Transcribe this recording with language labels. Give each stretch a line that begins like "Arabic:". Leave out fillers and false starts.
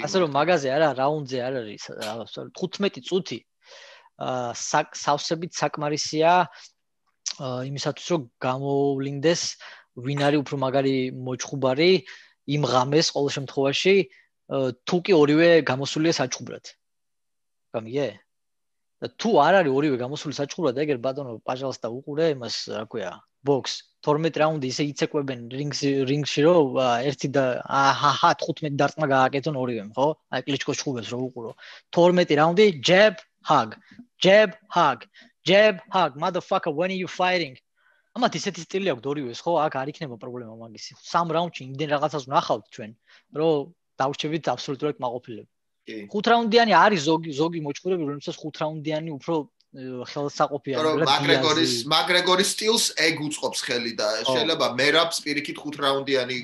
Georgian: ასე რომ მაგაზე არა, რაუნდზე არ არის, აბსოლუტურად 15 წუთი სავსებით საკმარისია იმისათვის, რომ გამოვლინდეს ვინ არის უფრო მაგარი მოჩხუბარი იმ ღამეს ყოველ შემთხვევაში, თუ კი ორივე გამოსულია საჩხუბრად. გამიგე? და თუ არ არის ორივე გამოსული საჩხუბრად, ეგერ ბატონო,
Russian: пожалуйста,
Georgian: უყურე იმას, რა ქვია, ბოქს. 12 რაუნდი ისე იცეკვებენ რინგში რომ ერთი და აჰა 15 დარტყმა გააკეთონ ორივემ, ხო? აი კლიჩკოს ჩხუბებს რო უყურო.
English: 12
Georgian: რაუნდი
English: jab hug jab hug jab hug motherfucker when are you fighting?
Georgian: ამათ ისეთი სტილი აქვს ორივეს, ხო? აქ არ იქნება პრობლემა მაგისი. სამ რაუნდში იმდენ რაღაცას ვნახავთ ჩვენ, რომ დავრჩებით აბსოლუტურად მაყოფილები. კი. ხუთ რაუნდიანი არის ზოგი მოჩქურები, რომელსაც ხუთ რაუნდიანი უფრო ხელსაყოფია. მაგრეგორის სტილს ეგ უწყობს ხელი და შეიძლება მერაპს პირიქით ხუთ რაუნდიანი